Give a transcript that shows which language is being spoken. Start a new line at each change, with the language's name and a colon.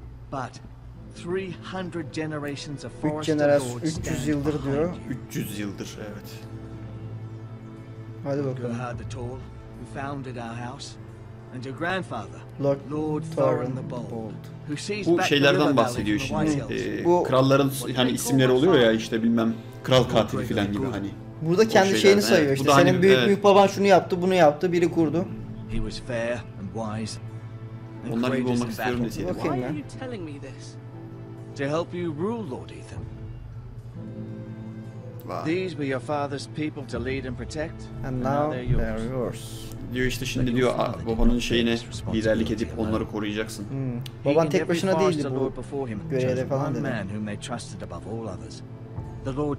English: But 300 generations of Forster lords 300 yıldır diyor.
Turkish: 300 yıldır evet.
English: Hadi bakalım. Gerhard the Tall, who founded our house, and your grandfather, Lord Thorin the Bold, who sees back the river valley from the White Hills.
Turkish: Kralların hani isimleri oluyor ya işte bilmem kral katili filan gibi hani. Burada kendi şeyini sayıyor işte. Senin büyük baban şunu yaptı, bunu yaptı, biri kurdu.
English: He was fair
Turkish: and wise. Onlar gibi olmak istiyorum deseydi.
English: Why are you telling me this? To help you rule, Lord Ethan. These were your father's people to lead and protect, and now they're yours.
Turkish: Diyor işte şimdi diyor babanın şeyine liderlik edip onları koruyacaksın. Baban tek başına değildi bu görevde falan dedi.
English: Man whom they trusted above all others, the Lord